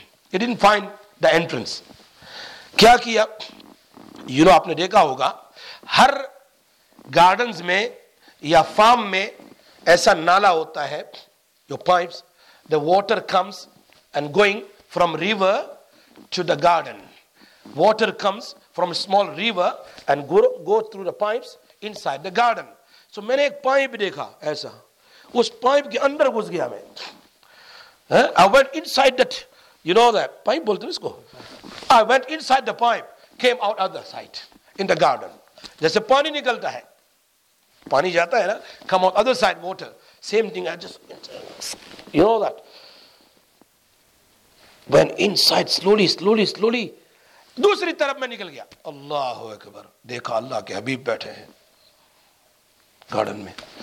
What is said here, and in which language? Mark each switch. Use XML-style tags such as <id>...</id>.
<en>He didn't find the entrance. کیا کیا, you know,</en> <ur>آپ نے دیکھا ہوگا ہر gardens میں یا farm میں ایسا نالا ہوتا ہے,</ur> <en>your pipes, the water comes and going from river to the garden. Water comes from a small river and go through the pipes inside the garden. So</en> <ur>میں نے ایک پائپ دیکھا ایسا, اس پائپ کے اندر گھس گیا میں.</ur> <en>I went inside that, you know that</en> <ur>pipe بولتے ہیں اس کو,</ur> <en>I went inside the pipe, came out other side in the garden.</en> <ur>جیسے پانی نکلتا ہے, پانی جاتا ہے نا,</ur> <en>come out other side water, same thing you know that when inside slowly slowly</en> <ur>slowly دوسری طرف میں نکل گیا. اللہ اکبر, دیکھا اللہ کے حبیب بیٹھے ہیں گارڈن میں.</ur>